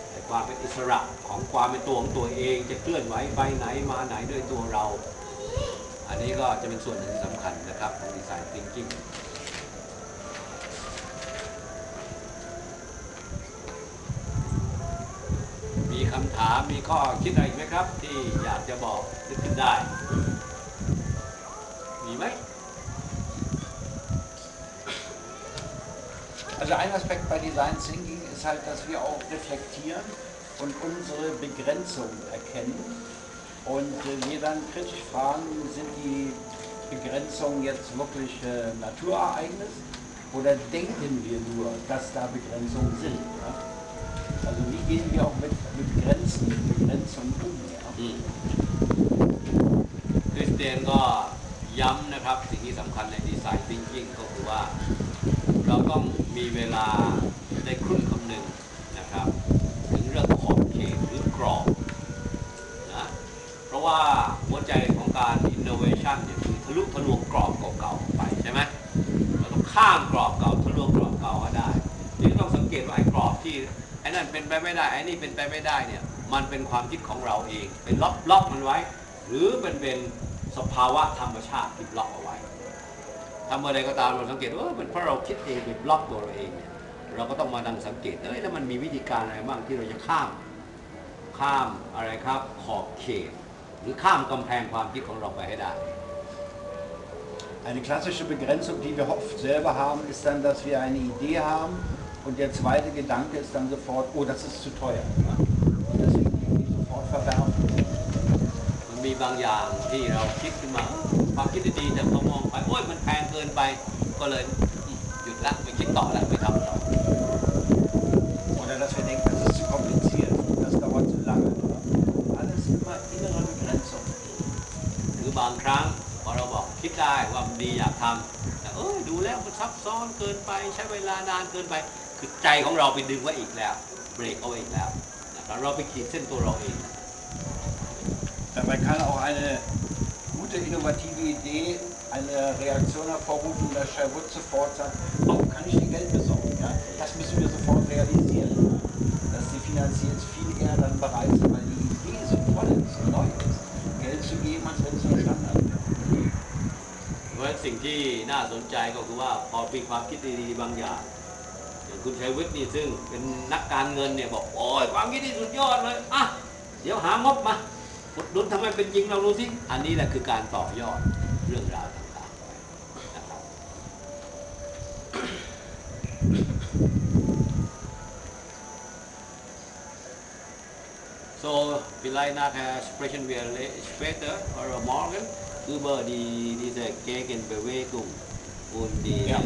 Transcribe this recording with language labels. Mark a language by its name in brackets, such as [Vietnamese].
[Thai] ความเป็นอิสระของความเป็นตัวของตัวเองจะเคลื่อนไหวไปไหนมาไหนด้วยตัวเราอันนี้ก็จะเป็นส่วนหนึ่งที่สำคัญนะครับของดีไซน์ thinking มีคำถามมีข้อคิดอะไรไหมครับที่อยากจะบอกที่ขึ้นได้มีไหม [German] Also ein Aspekt bei Design Thinking ist halt, dass wir auch reflektieren und unsere Begrenzung erkennen und wir dann kritisch fragen, sind die Begrenzungen jetzt wirklich Naturereignis oder denken wir nur, dass da Begrenzungen sind? Ja? Also wie gehen wir auch mit Grenzen, mit Begrenzungen um? Ja? Ich denke, das ist wichtig bei Design Thinking, das ist, dass wir uns [Thai] มีเวลาได้ครึ่งคำหนึ่งนะครับถึงเรื่องขอบเขตหรือกรอบนะเพราะว่าหัวใจของการอินโนเวชันเนี่ยคือทะลุทะลวงกรอบเก่าๆไปใช่ไหม เราต้องข้ามกรอบเก่าทะลวงกรอบเก่าก็ได้นี่ต้องสังเกตว่าไอ้กรอบที่ไอ้นั่นเป็นไปไม่ได้ไอ้นี่เป็นไปไม่ได้เนี่ยมันเป็นความคิดของเราเองเป็นล็อกมันไว้หรือเป็นสภาวะธรรมชาติที่ล็อกเอาไว้ ถ้าเมื่อใดก็ตามเราสังเกตว่าเป็นเพราะเราคิดเองเป็นบล็อกตัวเราเองเนี่ยเราก็ต้องมาดังสังเกตเอ้ยแล้วมันมีวิธีการอะไรบ้างที่เราจะข้ามอะไรครับขอบเขตหรือข้ามกำแพงความคิดของเราไปให้ได้ [German] Eine klassische Begrenzung die wir oft selber haben ist dann dass wir eine Idee haben und der zweite Gedanke ist dann sofort oh das ist zu teuer und deswegen die Idee sofort verwerfen [Thai] มันมีบางอย่างที่เราคิดขึ้นมาความคิดดีๆแต่พอมองไปโอ้ยมันแพงเกินไปก็เลยหยุดละไม่คิดต่อละไม่ทำต่อ [German] oder dass wir denken das ist zu kompliziert das dauert zu lange alles immer innere Begrenzung [Thai] หรือบางครั้งพอเราบอกคิดได้ว่ามันดีอยากทำแต่เอ้ยดูแล้วมันซับซ้อนเกินไปใช้เวลานานเกินไปคือใจของเราไปดึงไว้อีกแล้วเบรกเอาเองแล้วนะครับเราไปขีดเส้นตัวเราเอง [German] dabei kann auch eine innovative Idee, eine Reaktion hervorrufen, dass Shai Wood sofort sagt, warum kann ich dir Geld besorgen? Ja? Das müssen wir sofort realisieren, ja? Dass die Finanziers viel eher dann bereit sind, weil die Idee so voll ist, so neu ist, Geld zu geben, als wenn es nur Standard wird. Was ich interessant finde, ist, dass wenn ich ein gutes Gefühl habe, dass ich ein Shai Wood, der ist ein Finanzierer, sagt, oh, das Gefühl ist super, jetzt hol ich mir Geld. Mal. [Thai] ดูทำไมเป็นจริงเรารู้สิอันนี้แหละคือการต่อยอดเรื่องราวต่างๆนะครับ [German] So vielleicht nach sprechen wir später oder morgen über diese Gegenbewegung und die